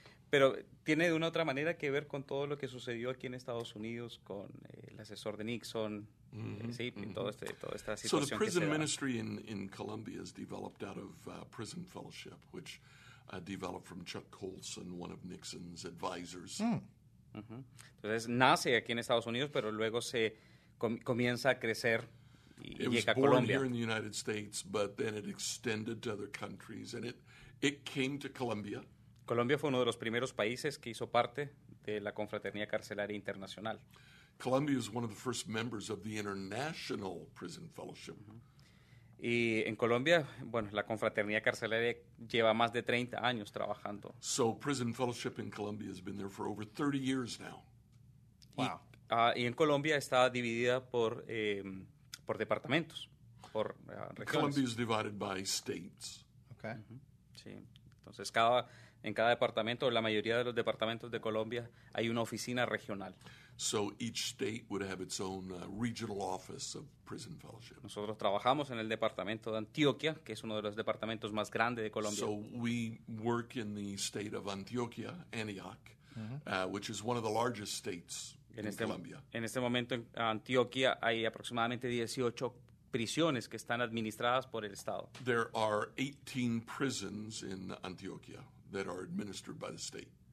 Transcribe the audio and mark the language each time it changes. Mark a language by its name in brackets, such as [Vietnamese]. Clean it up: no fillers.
[Spanish] Pero tiene de una otra manera que ver con todo lo que sucedió aquí en Estados Unidos con el asesor de Nixon, toda esta situación. [English] So the prison ministry in Colombia is developed out of prison fellowship, which developed from Chuck Colson, one of Nixon's advisors. Mm. Uh-huh. [Spanish] Entonces nace aquí en Estados Unidos, pero luego se comienza a crecer y llega a Colombia. [English] It was born here in the United States, but then it extended to other countries, and it came to Colombia. [Spanish] Colombia fue uno de los primeros países que hizo parte de la Confraternidad Carcelaria Internacional. [English] Colombia is one of the first members of the International Prison Fellowship. Uh-huh. [Spanish] Y en Colombia, bueno, la Confraternidad Carcelaria lleva más de 30 años trabajando. [English] So Prison Fellowship in Colombia has been there for over 30 years now. [Spanish] Wow. Y en Colombia está dividida por departamentos, por regiones. [English] Columbia is divided by states. Okay. [Spanish] Mm-hmm. Sí. Entonces, en cada departamento, la mayoría de los departamentos de Colombia, hay una oficina regional. [English] So each state would have its own regional office of prison fellowship. [Spanish] Nosotros trabajamos en el departamento de Antioquia, que es uno de los departamentos más grandes de Colombia. [English] So we work in the state of Antioquia, Antioch, mm-hmm. Which is one of the largest states in Colombia. [Spanish] En este momento, en Antioquia, hay aproximadamente 18 prisiones que están administradas por el Estado. [English] There are 18 prisons in Antioquia that are administered by the state.